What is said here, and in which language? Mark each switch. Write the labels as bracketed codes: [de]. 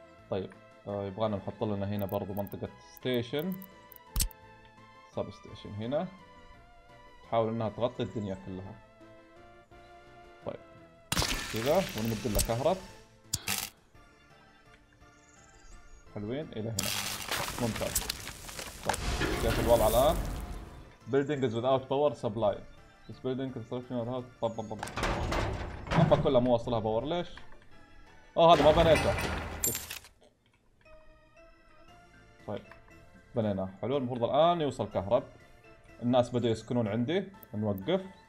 [ar] طيب يبغانا نحط لنا هنا برضو منطقة ستيشن، سب ستيشن هنا، تحاول انها تغطي الدنيا كلها. طيب كذا ونمد لها كهرب، حلوين الى هنا، ممتاز. طيب كيف الوضع الان؟ [en] building is without power supply this building construction or house. [ar] طب طب طب كلها مو وصلها باور، ليش؟ اوه هذا ما بنيته. طيب بنينا، حلو. المفروض الان يوصل كهرب، الناس بدوا يسكنون عندي، نوقف.